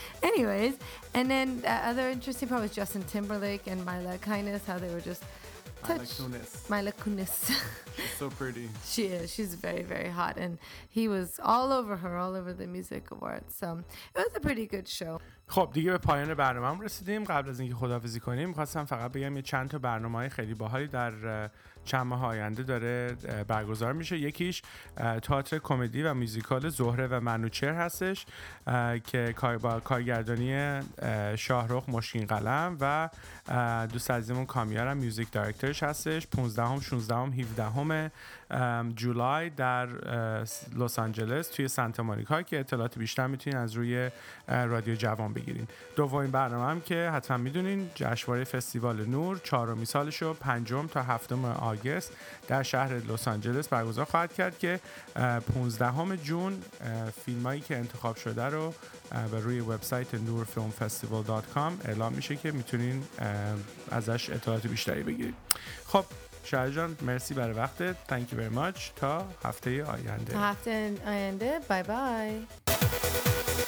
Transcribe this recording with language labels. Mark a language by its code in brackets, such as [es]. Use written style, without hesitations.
[en] Anyways, and then the other interesting part was Justin Timberlake and Mila Kunis, how they were just Mila Kunis. So pretty. She is. She's very, very hot. And he was all over her, all over the music awards. So it was a pretty good show. [fa] خب دیگه به پایان برنامه هم رسیدیم. قبل از اینکه خداحافظی کنیم میخواستم فقط بگم یه چند تا برنامه های خیلی باحالی در چند ماه آینده داره برگزار میشه. یکیش تئاتر کمدی و میوزیکال زهره و منوچهر هستش که با کارگردانی شاهرخ مشکین قلم و دوست عزیزمون کامیار هم میوزیک دایرکترش هستش. 15-16 [en] July [fa] در لس آنجلس توی سانتا مونیکا، که اطلاعات بیشتر میتونین از روی رادیو جوان بگیرین. دومین برنامه هم که حتما میدونین جشنواره فستیوال نور چهارمی سالشو 5-7 [en] August [fa] در شهر لس آنجلس برگزار خواهد کرد، که 15 [en] June [fa] فیلمایی که انتخاب شده رو به روی وبسایت noorfilmfestival.com اعلام میشه که میتونین ازش اطلاعات بیشتری بگیرین. خب شاید جان مرسی برای وقتت. [en] Thank you very much. [fa] تا هفته آینده. تا هفته آینده. [en] Bye bye.